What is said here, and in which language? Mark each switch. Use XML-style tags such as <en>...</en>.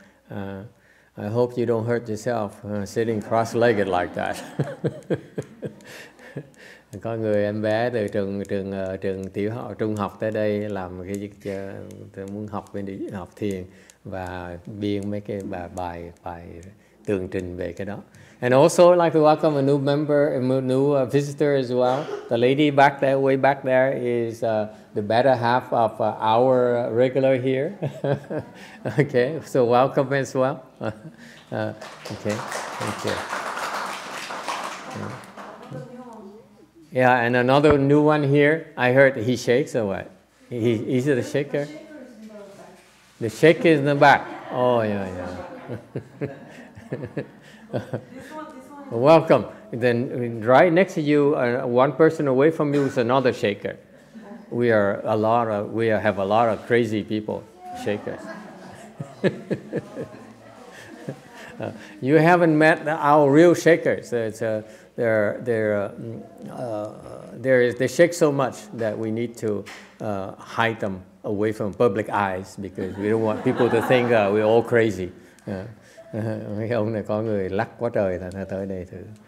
<en>I hope you don't hurt yourself sitting cross-legged like that.</en> <vi>Có người em bé từ trường tiểu học trung học tới đây làm cái việc muốn học bên đi học thiền và biên mấy cái bài tường trình về cái đó.</vi> <en>And also I'd like to welcome a new member, a new visitor as well. The lady back there, way back there, is the better half of our regular here. Okay, so welcome as well. Okay, thank you. Yeah, and another new one here. I heard he shakes or what? He's the shaker? The shaker is in the back. The shaker is in the back. Oh, yeah, yeah. This one. Welcome. Then right next to you, one person away from you is another shaker. We are a lot of, we have a lot of crazy people, shakers. You haven't met our real shakers. They shake so much that we need to hide them away from public eyes because we don't want people to think we're all crazy. Yeah.</en> <vi>Mấy ông này có người lắc quá trời thành ra tới đây thử.</vi>